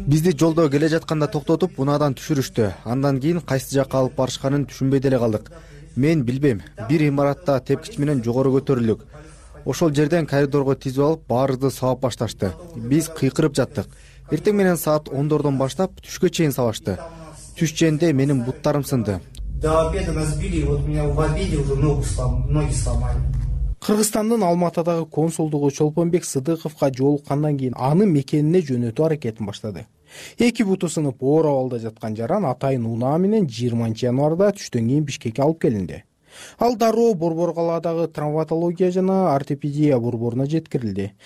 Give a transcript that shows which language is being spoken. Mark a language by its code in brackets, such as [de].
[ky] бизди жолдо келе жатканда токтотуп, унаадан түшүрүштү. Андан кийин кайсы жакка алып барышканын түшүнбөй деле калдык. Мен билбейм. Бир имаратта тепкич менен жогору көтөрүлдүк. Ошол жерден коридорго тизип алып, баарыбызды саап башташты. Биз кыйкырып жаттык. Эртең менен саат 10:00 баштап түшкө чейин савашты. Түш жеринде менин буттарым сынды. [ru] До обеда нас били, вот у меня в обеде уже ноги сломали. [ky] Кыргызстандын Алматыдагы консулдугу Чолпонбек Сыдыковго жолуккандан кийин аны мекенине жөнөтүү аракетин баштады. Эки буту сынып оор абалда жаткан жаран атайын унаа менен 20-январда түштөн кийин Бишкекке алып келинди. Ал дароо Борбор калаадагы травматология жана ортопедия борборуна жеткирилди.